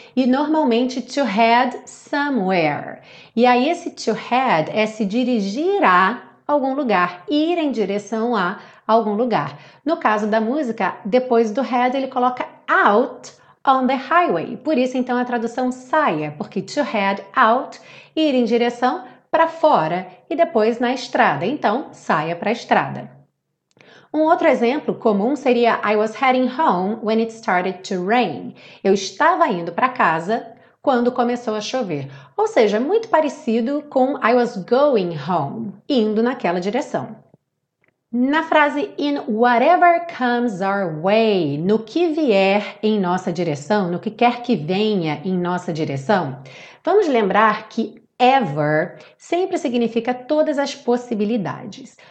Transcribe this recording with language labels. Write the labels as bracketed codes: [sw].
[pt] E normalmente to head somewhere. E aí esse to head é se dirigir a algum lugar, ir em direção a algum lugar. No caso da música, depois do head ele coloca [en] out on the highway. [pt] Por isso então a tradução saia, porque to head out, ir em direção para fora e depois na estrada. Então saia para a estrada. [en] Um outro exemplo comum seria I was heading home when it started to rain. [pt] Eu estava indo para casa quando começou a chover. Ou seja, muito parecido com [en] I was going home, [pt] indo naquela direção. Na frase [en] in whatever comes our way, [pt] no que vier em nossa direção, no que quer que venha em nossa direção, vamos lembrar que ever sempre significa todas as possibilidades.